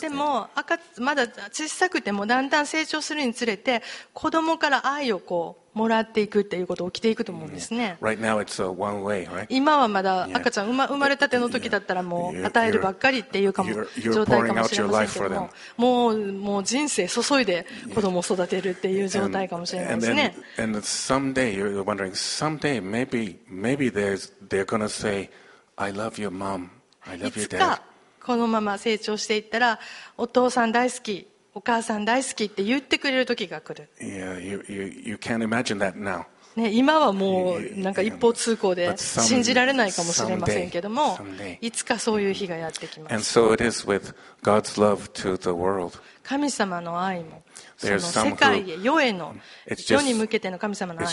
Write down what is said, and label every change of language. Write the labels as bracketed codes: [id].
[ja] でも赤まだ小さくてもだんだん成長するにつれて子供から愛をこうもらっていくっていうことが起きていくと思うんですね。 [en] Right now it's a one way, right? [ja] 今はまだ赤ちゃん生まれたての時だったらもう与えるばっかりっていうかも状態かもしれませんけども、もう人生注いで子供を育てるっていう状態かもしれないですね。 [en] And someday you're wondering, someday maybe they're gonna say, I love you, mom. [ja] いつかこのまま成長していったらお父さん大好き、お母さん大好きって言ってくれる時が来る。 [en] Yeah, you can't imagine that now. [ja] ね、今はもうなんか一方通行で信じられないかもしれませんけども、いつかそういう日がやってきます。 [en] And so it is with God's love to the world. [ja] 神様の愛も、その世界へ、世への、世に向けての神様の愛も。